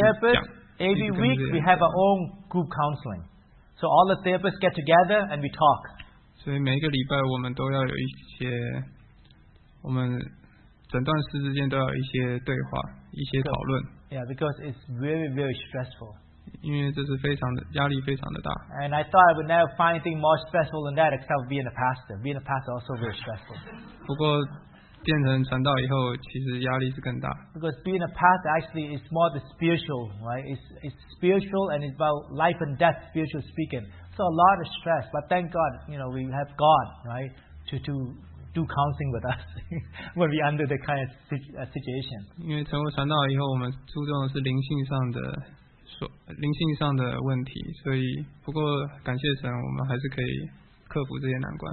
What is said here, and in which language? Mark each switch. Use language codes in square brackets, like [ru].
[en] and as therapists every week we have our own group counseling so all the therapists get together and we talk [zh] 所以每一个礼拜我们都要有一些我们诊断师之间都要有一些对话一些讨论 [en] yeah because it's very very stressful [zh] 因为这是非常的压力非常的大。 [en] And I thought I would never find anything more stressful than that except being a pastor. Being a pastor also very stressful. [zh] 不过变成传道以后，其实压力是更大。 [en] Because being a pastor actually is more the spiritual, right? It's spiritual and it's about life and death, spiritual speaking. So a lot of stress. But thank God, you know, we have God, right, to do counseling with us when we under the kind of situation. [zh] 因为成为传道以后，我们注重的是灵性上的。灵性上的问题，所以不过感谢神，我们还是可以克服这些难关。